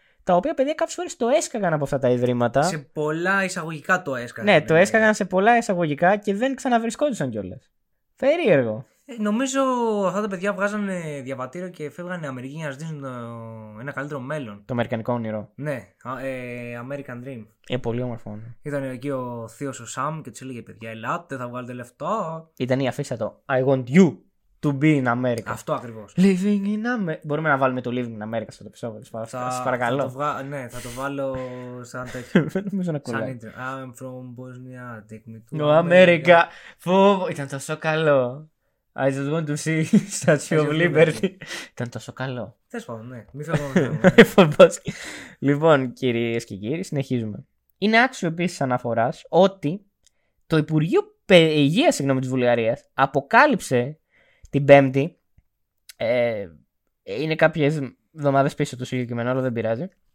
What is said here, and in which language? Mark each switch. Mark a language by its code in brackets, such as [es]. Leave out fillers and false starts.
[el] Τα οποία παιδιά κάποιες φορές το έσκαγαν από αυτά τα ιδρύματα. Σε πολλά εισαγωγικά το έσκαγαν. Ναι, το έσκαγαν σε πολλά εισαγωγικά και δεν ξαναβρισκόντουσαν κιόλας. Περίεργο. Νομίζω αυτά τα παιδιά βγάζανε διαβατήριο και φεύγανε Αμερική για να ζητήσουν ένα καλύτερο μέλλον. Το αμερικανικό όνειρο. Ναι, American Dream. Πολύ όμορφο. Ήταν εκεί ο θείος ο Σαμ και τους έλεγε: παιδιά, ελάτε, θα βγάλετε λεφτά. Ήταν η αφήσα το. [en] I want you to be in America. [el] Αυτό ακριβώς. [en] Living in America. [el] Μπορούμε να βάλουμε το Living in America στο επεισόδιο. Σας παρακαλώ. Ναι, θα το βάλω σαν τέτοιο. Νομίζω να κουλάει. Σαν intro. [en] I'm from Bosnia. Take me to America. [el] Φόβο. Ήταν τόσο καλό. [en] I just want to see Statue of Liberty. [el] Ήταν τόσο καλό. Τέλος πάντων, ναι. Μη φεύγω. Λοιπόν, κυρίες και κύριοι, συνεχίζουμε. Είναι άξιο επίσης αναφοράς ότι το Υπουργείο Υγείας της Βουλγαρίας αποκάλυψε την Πέμπτη, είναι κάποιες εβδομάδες πίσω το συγκεκριμένο, αλλά δεν πειράζει.